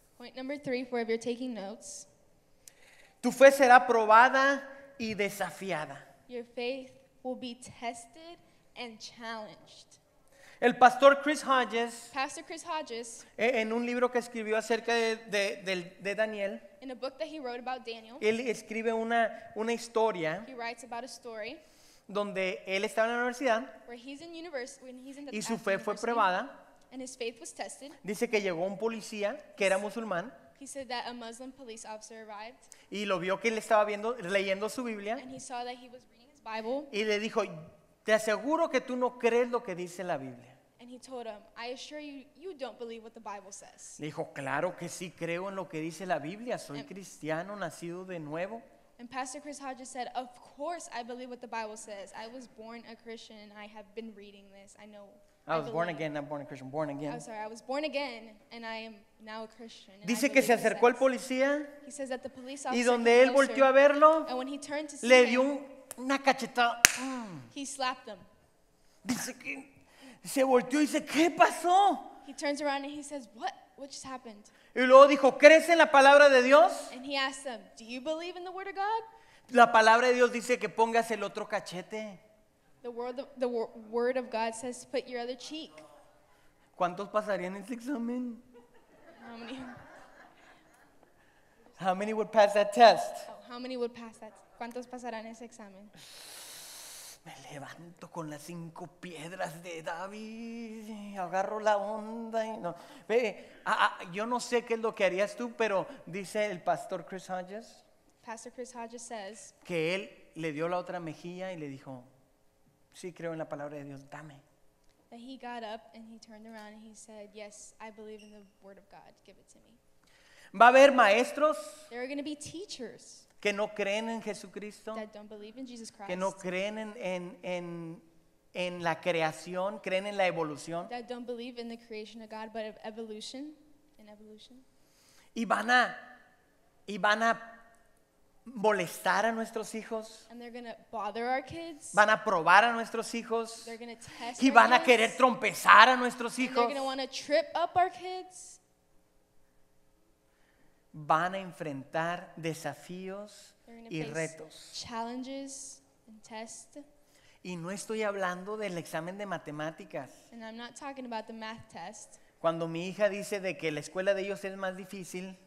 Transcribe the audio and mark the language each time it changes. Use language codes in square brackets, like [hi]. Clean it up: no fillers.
[en] Point number three, for if you're taking notes. [es] Tu fe será probada y desafiada. [en] Your faith will be tested and challenged. [es] El pastor Chris Hodges, [en] Pastor Chris Hodges, [es] en un libro que escribió acerca de Daniel, [en] in a book that he wrote about Daniel, [es] él escribe una historia, [en] he writes about a story, [es] donde él estaba en la universidad, [en] where he's in university, when he's in the [es] y su fe fue probada, [en] and his faith was tested. [es] Dice que llegó un policía que era musulmán. [en] He said that a Muslim police officer arrived. [es] Y lo vio que él estaba viendo, leyendo su Biblia. [en] And he saw that he was reading his Bible. [es] Y le dijo, te aseguro que tú no crees lo que dice la Biblia. [en] And he told him, I assure you, you don't believe what the Bible says. [es] Le dijo, claro que sí creo en lo que dice la Biblia. Soy cristiano, nacido de nuevo. [en] And Pastor Chris Hodges said, of course I believe what the Bible says. I was born a Christian and I have been reading this. I know. I was born again. I'm sorry, I was born again and I am now a Christian. [es] Dice que se acercó al policía. [en] He says that the police officer, [es] y donde él volteó a verlo, [en] and when he turned to see [es] le dio [en] him, [es] una cachetada. [en] He slapped him. [es] Dice que se volteó y dice, ¿qué pasó? [en] He turns around and he says, what just happened? [es] Y luego dijo, ¿crees en la palabra de Dios? [en] And he asked him, do you believe in the word of God? [es] La palabra de Dios dice que pongas el otro cachete. [en] The word of God says to put your other cheek. [es] ¿Cuántos pasarían ese examen? [en] How many would pass that test? Oh, how many would pass that? [es] ¿Cuántos pasarán ese examen? Me levanto con las cinco piedras de David, agarro la onda y no. Ve, yo no sé qué es lo que harías tú, pero dice el pastor Chris Hodges. [en] Pastor Chris Hodges says [es] que él le dio la otra mejilla y le dijo, sí, creo en la palabra de Dios, dame. [en] And he got up and he turned around and he said, yes, I believe in the word of God, give it to me. [es] Va a haber maestros. [en] There are going to be teachers. [es] Que no creen en Jesucristo. [en] That don't believe in Jesus Christ. [es] Que no creen en la creación, creen en la evolución. [en] That don't believe in the creation of God, but of evolution, in evolution. [es] Y van a molestar a nuestros hijos. [en] And they're going to bother our kids. [es] Van a probar a nuestros hijos. [en] They're going to test [es] y van a querer trompezar a nuestros hijos. [en] And they're going to want to trip up our kids. [es] Van a enfrentar desafíos y retos. [en] Challenges and tests. [es] Y no estoy hablando del examen de matemáticas. [en] And I'm not talking about the math test. [es] Cuando mi hija dice de que la escuela de ellos es más difícil.